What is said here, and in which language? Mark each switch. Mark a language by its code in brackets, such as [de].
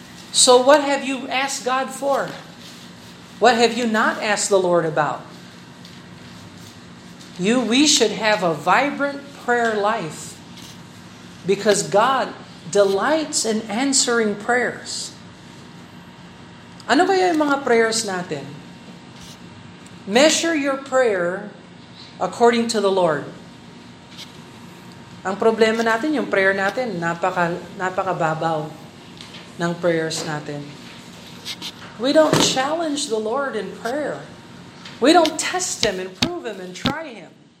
[en] So what have you asked God for? What have you not asked the Lord about? We should have a vibrant prayer life because God delights in answering prayers. [tl] Ano ba yung mga prayers natin? [en] Measure your prayer according to the Lord. [tl] Ang problema natin, yung prayer natin, napakababaw ng prayers natin. [en] We don't challenge the Lord in prayer. We don't test Him and prove Him and try Him.